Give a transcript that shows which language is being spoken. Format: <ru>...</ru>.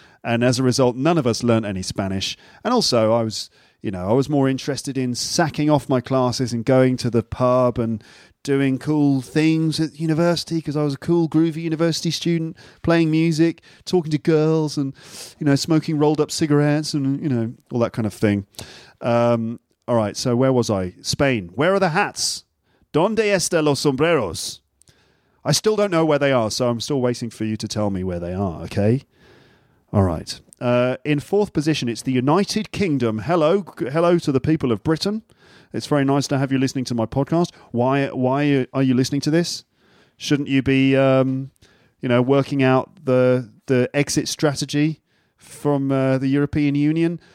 <en>And as a result, none of us learnt any Spanish. And also, I was more interested in sacking off my classes and going to the pub and doing cool things at university because I was a cool, groovy university student, playing music, talking to girls and, you know, smoking rolled up cigarettes and, you know, all that kind of thing. All right, so where was I? Spain. Where are the hats?</en> <es>¿Dónde están los sombreros?</es> <en>I still don't know where they are, so I'm still waiting for you to tell me where they are, okay? All right. In fourth position, it's the United Kingdom. Hello. Hello to the people of Britain. It's very nice to have you listening to my podcast. Why are you listening to this? Shouldn't you be, working out the exit strategy from the European Union?</en>